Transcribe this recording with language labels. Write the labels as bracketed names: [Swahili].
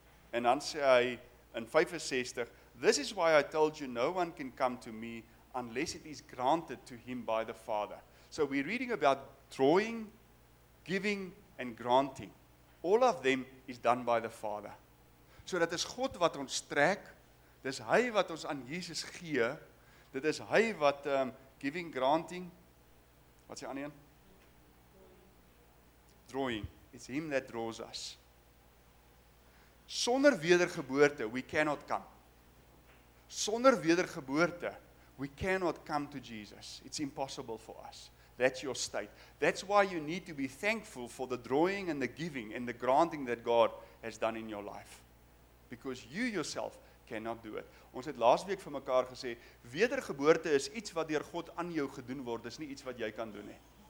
[Afrikaans] En dan sê hy in 65, [English] this is why I told you no one can come to me unless it is granted to him by the Father. So we're reading about drawing, giving and granting. All of them is done by the Father. [Afrikaans] So dat is God wat ons trek, Dis hy wat ons aan Jesus gee. Dit is hy wat giving, granting. Wat is die ander een? [English] Drawing. It's him that draws us. [Afrikaans] Sonder wedergeboorte, [English] we cannot come. [Afrikaans] Sonder wedergeboorte, [English] we cannot come to Jesus. It's impossible for us. That's your state. That's why you need to be thankful for the drawing and the giving and the granting that God has done in your life. Because you yourself cannot do it. [Afrikaans] Ons het laas week vir mekaar gesê, wedergeboorte is iets wat deur God aan jou gedoen word, dis nie iets wat jy kan doen nie.